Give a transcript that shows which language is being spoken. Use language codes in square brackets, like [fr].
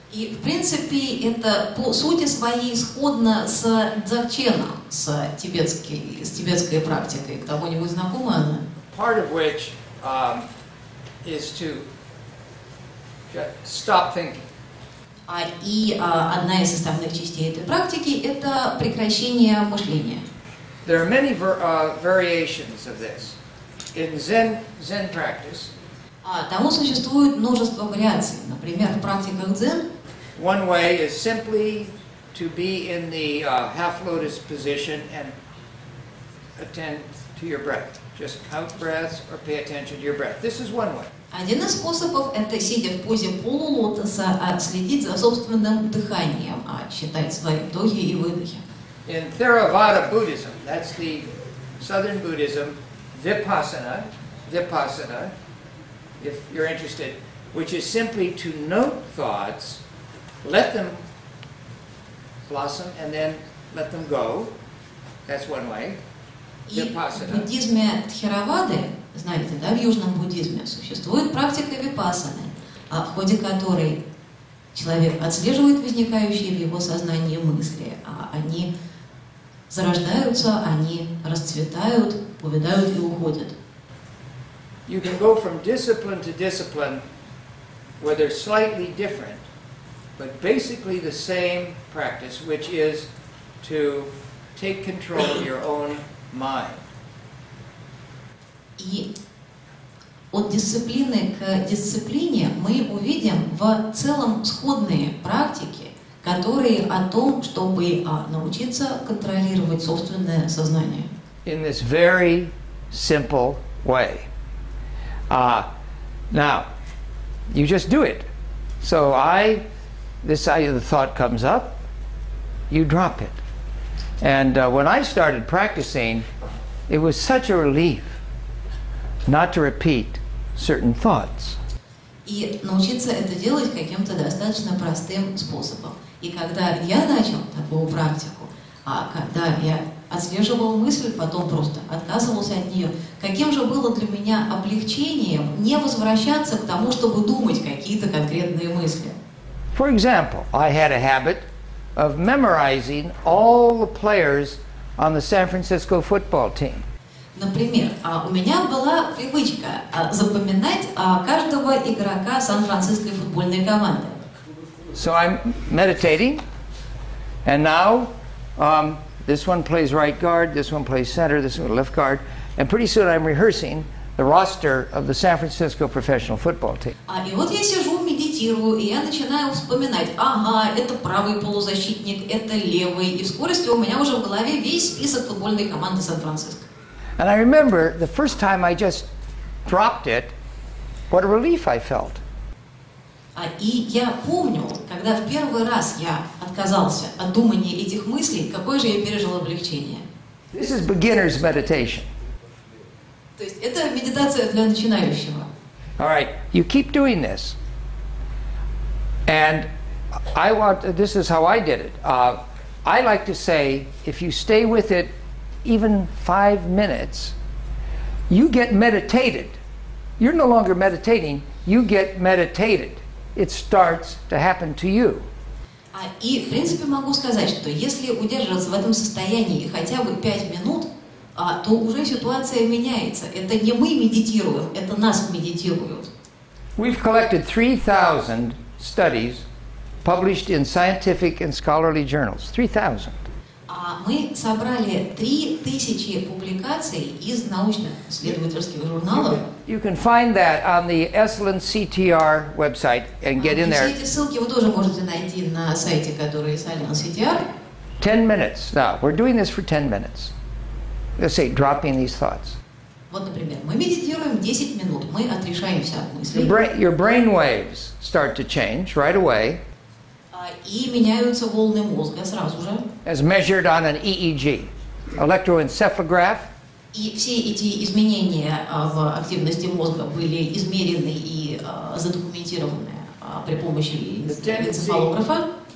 [ru] И в принципе это по сути своей сходно с Дзогченом, с тибетской практикой. Кому-нибудь знакома она? [en] Part of which is to stop thinking. [ru] Одна из составных частей этой практики это прекращение мышления. [en] There are many variations of this in Zen practice. [ru] Тому существует множество вариаций. Например, в практиках дзен. [en] One way is simply to be in the half lotus position and attend to your breath. Just count breaths or pay attention to your breath. This is one way. [ru] Один из способов – это сидя в позе полулотоса, следить за собственным дыханием, считать свои вдохи и выдохи. [en] In Theravada Buddhism, that's the southern Buddhism, Vipassana, if you're interested, which is simply to note thoughts, let them blossom, and then let them go. That's one way. Vipassana. [ru] И в буддизме Тхеравады, знаете, да, в южном буддизме, существует практика випассаны, в ходе которой человек отслеживает возникающие в его сознании мысли, а они зарождаются, они расцветают, увядают и уходят. [en] You can go from discipline to discipline where they're slightly different, but basically the same practice, which is to take control of your own mind. [ru] И от дисциплины к дисциплине мы увидим в целом сходные практики, которые о том, чтобы научиться контролировать собственное сознание. [en] In this very simple way. Now, you just do it. So this idea of the thought comes up, you drop it. And when I started practicing, it was such a relief not to repeat certain thoughts. [ru] И научиться это делать каким-то достаточно простым способом. И когда я начал такую практику, когда я отслеживал мысль, потом просто отказывался от нее, каким же было для меня облегчением не возвращаться к тому, чтобы думать какие-то конкретные мысли. [en] For example, I had a habit of memorizing all the players on the San Francisco football team. [ru] Например, у меня была привычка запоминать каждого игрока Сан-Франциской футбольной команды. [en] So I'm meditating, and now this one plays right guard, this one plays center, this one left guard, and pretty soon I'm rehearsing the roster of the San Francisco professional football team. [ru] И вот я сижу, медитирую. ориентирую, и я начинаю вспоминать, ага, это правый полузащитник, это левый, и в скорости у меня уже в голове весь список футбольной команды Сан-Франциско. [en] And I remember the first time I just dropped it, what a relief I felt. [ru] И я помню, когда в первый раз я отказался от думания этих мыслей, какое же я пережил облегчение. [en] This is beginner's meditation. [ru] То есть это медитация для начинающего. [en] All right, you keep doing this. And I want, this is how I did it. I like to say, if you stay with it even 5 minutes, you get meditated. You're no longer meditating, you get meditated. It starts to happen to you. [ru] И, в принципе, могу сказать, что если удерживаться в этом состоянии хотя бы 5 минут, то уже ситуация меняется. Это не мы медитируем, это нас медитируют. [en] We've collected 3,000 studies published in scientific and scholarly journals. 3,000. [ru] Мы собрали 3,000 публикаций из научно-исследовательских журналов. [en] You can find that on the Esalen CTR website and get in there. [ru] Все эти ссылки вы тоже можете найти на сайте, который Esalen CTR. [en] 10 minutes. Now, we're doing this for 10 minutes. Let's say, dropping these thoughts. [ru] Вот, например, мы медитируем 10 минут, мы отрешаемся от мыслей. [en] Your brain waves start to change right away. [ru] И меняются волны мозга сразу же. [en] As measured on an EEG, electroencephalograph. [ru] И все эти изменения в активности мозга были измерены и задокументированы при помощи электроэнцефалографа.